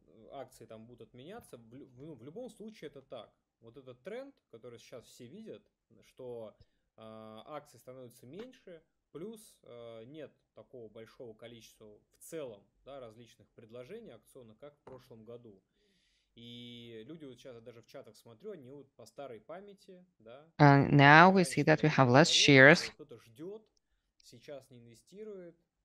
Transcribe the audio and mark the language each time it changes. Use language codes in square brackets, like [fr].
[ru] Акции там будут меняться, в любом случае это так. Вот этот тренд, который сейчас все видят, что акции становятся меньше, плюс нет такого большого количества в целом, да, различных предложений акционных, как в прошлом году. И люди вот сейчас, я даже в чатах смотрю, они вот по старой памяти, да. [en] And now we see that we have less shares. [ru] Кто-то ждет, сейчас не инвестирует.